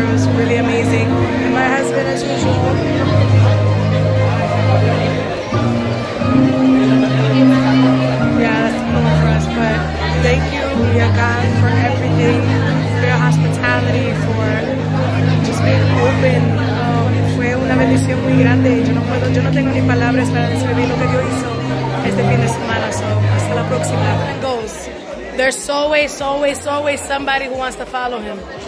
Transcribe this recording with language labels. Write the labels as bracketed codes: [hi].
[en] It was really amazing. And my husband, as usual. Yeah, that's cool for us, but thank you, Yagan, for everything, for your hospitality, for just being open. [es] Una bendición muy grande. Yo no tengo ni palabras para describir lo que Dios hizo este fin de semana. So, hasta la próxima. [en] Goes. There's always somebody who wants to follow him.